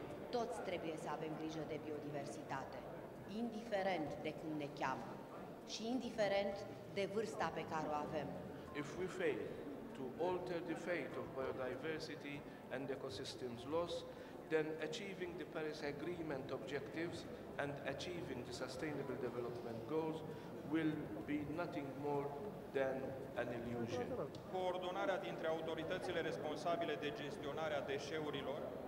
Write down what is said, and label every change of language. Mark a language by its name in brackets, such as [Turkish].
[Romanian] Toți trebuie să avem grijă de biodiversitate, indiferent de cum ne cheamă și indiferent de vârsta pe care o avem. [English] If we fail to alter the fate of biodiversity and ecosystems loss, then achieving the Paris Agreement objectives and achieving the Sustainable Development Goals will be nothing more than an illusion. [Romanian] Coordonarea dintre autoritățile responsabile de gestionarea deșeurilor